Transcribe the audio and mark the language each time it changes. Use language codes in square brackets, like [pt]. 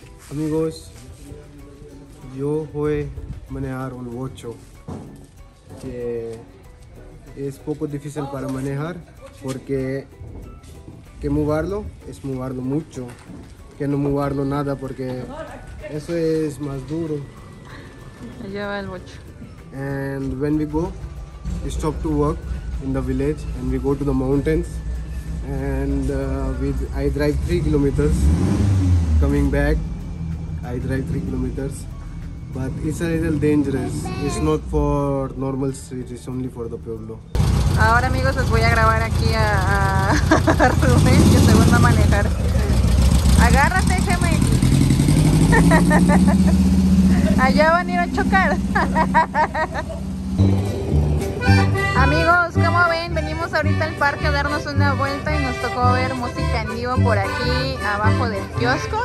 [es] Amigos, yo voy a manejar un bocho que es poco difícil para manejar porque que moverlo es moverlo mucho, que no moverlo nada porque eso es más duro. [en] And when we go, we stop to work in the village and we go to the mountains, and I drive 3 kilometers coming back. I drive 3 kilometers, but it's a little dangerous. It's not for normal street, it's only for the pueblo. [es] Ahora, amigos, les voy a grabar aquí a Rubén, que se van a manejar. Agárrate, Gemi. Allá van a ir a chocar. Amigos, ¿cómo ven? Venimos ahorita al parque a darnos una vuelta y nos tocó ver música en vivo por aquí abajo del kiosco.